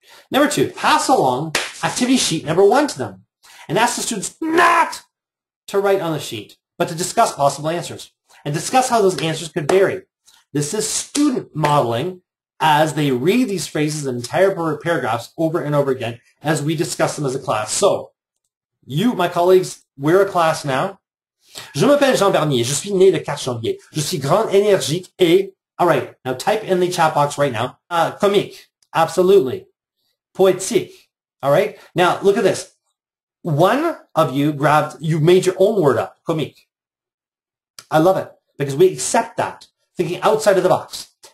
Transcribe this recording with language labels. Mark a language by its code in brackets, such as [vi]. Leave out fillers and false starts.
[en] Number two, pass along activity sheet number one to them and ask the students not to write on the sheet, but to discuss possible answers and discuss how those answers could vary. This is student modeling as they read these phrases and entire paragraphs over and over again as we discuss them as a class. So you, my colleagues, we're a class now. [fr] Je m'appelle Jean Bernier. Je suis né le 4 janvier. Je suis grand, énergique et... [en] All right. Now type in the chat box right now. Comique. Absolutely. Poétique. All right. Now, look at this. One of you grabbed, you made your own word up, comique. I love it because we accept that, thinking outside of the box.